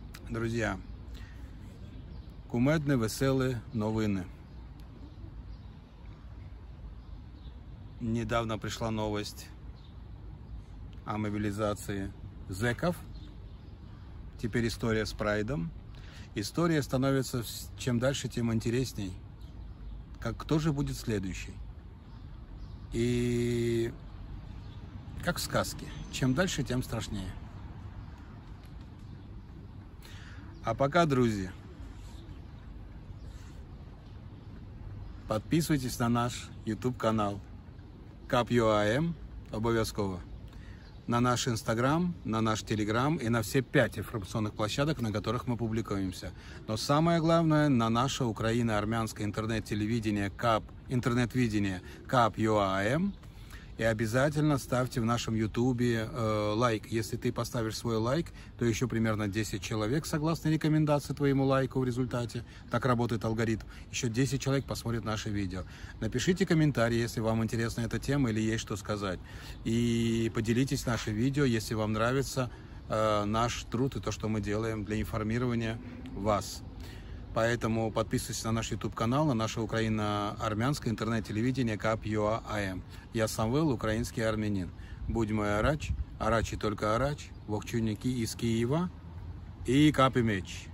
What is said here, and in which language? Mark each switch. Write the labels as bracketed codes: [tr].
[uk] Друзі, кумедні веселі новини. Недавно прийшла новість о мобілізації зеків. Тепер історія з прайдом. [ru] История становится, чем дальше, тем интересней. Как, кто же будет следующий? И как в сказке. Чем дальше, тем страшнее. А пока, друзья, подписывайтесь на наш YouTube-канал CAP.UAM обовязково. На наш Инстаграм, на наш Телеграм и на все 5 информационных площадок, на которых мы публикуемся. Но самое главное, на наше украино-армянское интернет-телевидение КАП, интернет-видение КАП.UAM. И обязательно ставьте в нашем Ютубе лайк. Если ты поставишь свой лайк, то еще примерно 10 человек, согласно рекомендации твоему лайку в результате, так работает алгоритм, еще 10 человек посмотрят наше видео. Напишите комментарий, если вам интересна эта тема или есть что сказать. И поделитесь нашим видео, если вам нравится наш труд и то, что мы делаем для информирования вас. Поэтому подписывайтесь на наш YouTube-канал, на наше украино-армянское интернет-телевидение КАП.UAM. Я Самвел, украинский армянин. Будь мой арач, арач и только [hy] арач, вохчуники [ru] из Киева и КАП.UAM.